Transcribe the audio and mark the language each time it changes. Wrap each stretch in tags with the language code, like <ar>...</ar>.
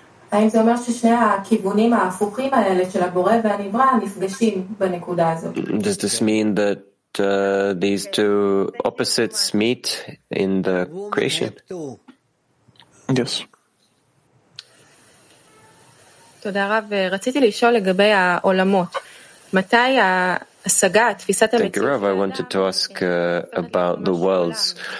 <he>האם זה אומר ששני הכיוונים ההפוכים האלה של הבורא והנברא נפגשים בנקודה הזאת?</he> <en>Does this mean that these two opposites meet in the creation? Yes.</en> <he>תודה רב. רציתי לשאול לגבי העולמות. מתי ההשגה, תפיסת המציאות?</he> <en>Thank you, Rav. I wanted to ask about the worlds.</en>